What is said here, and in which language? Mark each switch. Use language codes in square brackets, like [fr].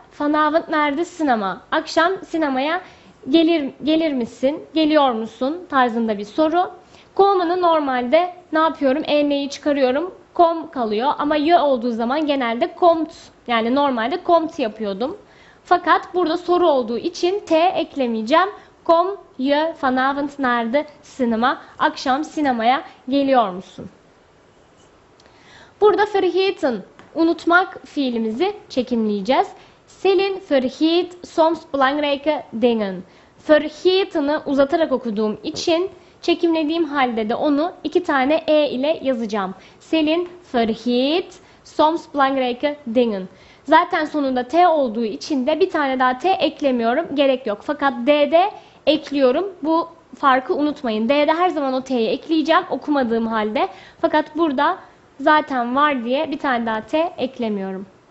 [tr] Fanavent nerede sinema? Akşam sinemaya gelir misin? Geliyor musun? Tarzında bir soru. Komanı normalde ne yapıyorum? En'i çıkarıyorum. Kom kalıyor. Ama yö olduğu zaman genelde komt. Yani normalde komt yapıyordum. Fakat burada soru olduğu için T eklemeyeceğim. [nl] Kom je vanavond naar de sinema? [tr] Akşam sinemaya geliyor musun? Burada vergeten, unutmak fiilimizi çekimleyeceğiz. [nl] Selin vergeet soms belangrijke dingen. [tr] Vergeten'ı uzatarak okuduğum için çekimlediğim halde de onu iki tane e ile yazacağım. [nl] Selin vergeet soms belangrijke dingen. [tr] Zaten sonunda T olduğu için de bir tane daha T eklemiyorum. Gerek yok. Fakat D'de ekliyorum. Bu farkı unutmayın. D'de her zaman o T'yi ekleyeceğim okumadığım halde. Fakat burada zaten var diye bir tane daha T eklemiyorum.